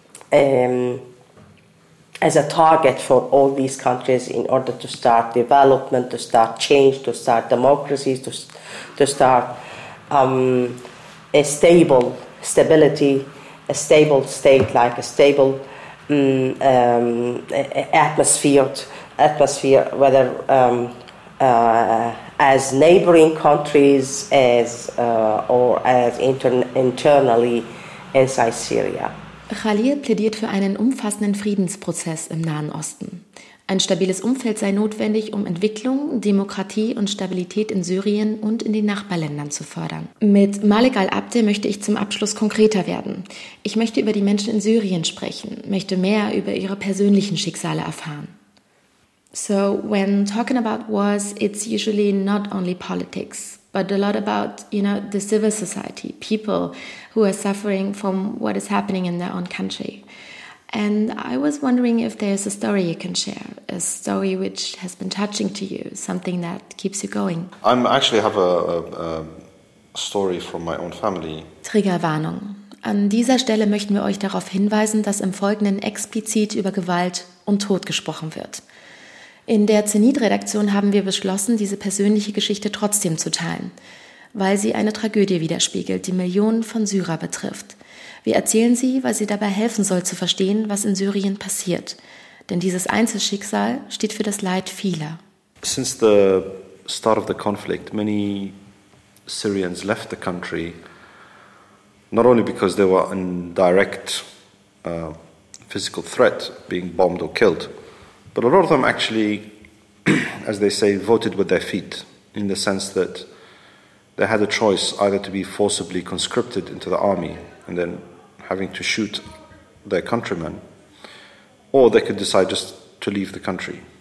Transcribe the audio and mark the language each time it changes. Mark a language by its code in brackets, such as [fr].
[en] as a target for all these countries in order to start development, to start change, to start democracies, to start a stable stability, a stable state, like a stable atmosphere, whether as neighboring countries as or as internally inside Syria. [de] Khalil plädiert für einen umfassenden Friedensprozess im Nahen Osten. Ein stabiles Umfeld sei notwendig, um Entwicklung, Demokratie und Stabilität in Syrien und in den Nachbarländern zu fördern. Mit Malik al-Abdi möchte ich zum Abschluss konkreter werden. Ich möchte über die Menschen in Syrien sprechen, möchte mehr über ihre persönlichen Schicksale erfahren. [en] So, when talking about wars, it's usually not only politics, but a lot about, you know, the civil society, people who are suffering from what is happening in their own country. And I was wondering if there's a story you can share, a story which has been touching to you, something that keeps you going. I actually have a story from my own family. [de] Triggerwarnung. An dieser Stelle möchten wir euch darauf hinweisen, dass im Folgenden explizit über Gewalt und Tod gesprochen wird. In der Zenit-Redaktion haben wir beschlossen, diese persönliche Geschichte trotzdem zu teilen, weil sie eine Tragödie widerspiegelt, die Millionen von Syrer betrifft. Wir erzählen sie, weil sie dabei helfen soll, zu verstehen, was in Syrien passiert. Denn dieses Einzelschicksal steht für das Leid vieler. [en] Since the start of the conflict, many Syrians left the country, not only because they were in direct physical threat, being bombed or killed, but a lot of them actually, as they say, voted with their feet, in the sense that they had a choice either to be forcibly conscripted into the army and then having to shoot their countrymen, or they could decide just to leave the country.